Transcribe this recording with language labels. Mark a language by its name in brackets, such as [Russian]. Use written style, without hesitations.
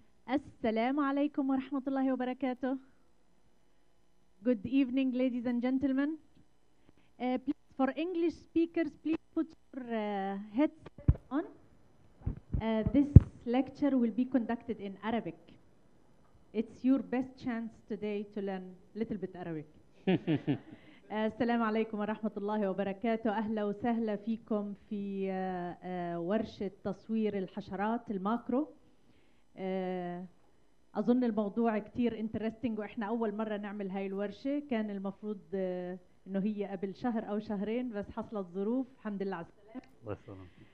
[Arabic] السلام عليكم ورحمة الله وبركاته. [English] Good evening, ladies and gentlemen. Please, for English speakers, please put your headset on. This lecture will be conducted in Arabic. It's your best chance today to learn a little bit Arabic. [Arabic] السلام عليكم ورحمة الله وبركاته. أهلا وسهلا فيكم في ورشة تصوير الحشرات الماكرو. أظن الموضوع كتير interesting وإحنا أول مرة نعمل هاي الورشة. كان المفروض إنه هي قبل شهر أو شهرين بس حصلت ظروف، الحمد لله على السلامة.